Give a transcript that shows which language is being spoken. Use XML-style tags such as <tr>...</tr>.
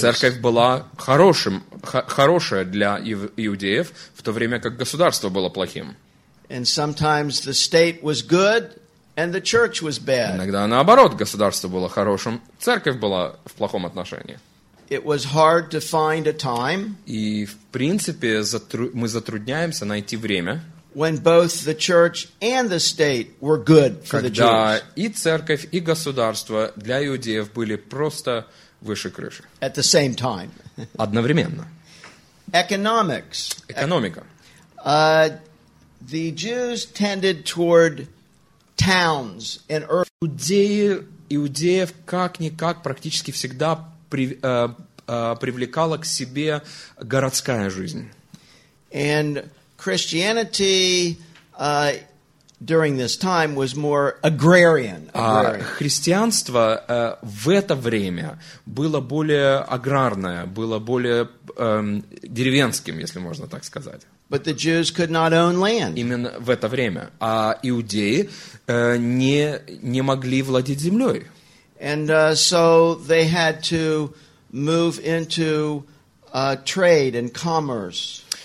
<ru>Церковь была хорошим, хорошая для иудеев, в то время как государство было плохим.</ru> <en>And sometimes the state was good, and the church was bad.</en> <ru>Иногда наоборот, государство было хорошим, церковь была в плохом отношении.</ru> <en>It was hard to find a time.</en> <ru>И в принципе мы затрудняемся найти время.</ru> <en>When both the church and the state were good for the Jews.</en> <ru>Когда и церковь, и государство для иудеев были просто выше крыши.</ru> <en>At the same time.</en> <ru>Одновременно.</ru> <en>Economics.</en> <ru>Экономика.</ru> <en>The Jews tended toward towns and urban.</en> <ru>Иудеев как-никак практически всегда привлекала к себе городская жизнь.</ru> <en>And Christianity during this time was more agrarian.</en> <ru>Христианство в это время было более аграрное, было более деревенским, если можно так сказать.</ru> <en>But the Jews could not own land.</en> <ru>Именно в это время, а иудеи не могли владеть землей.</ru> <en>And so they had to move into trade and commerce.</en>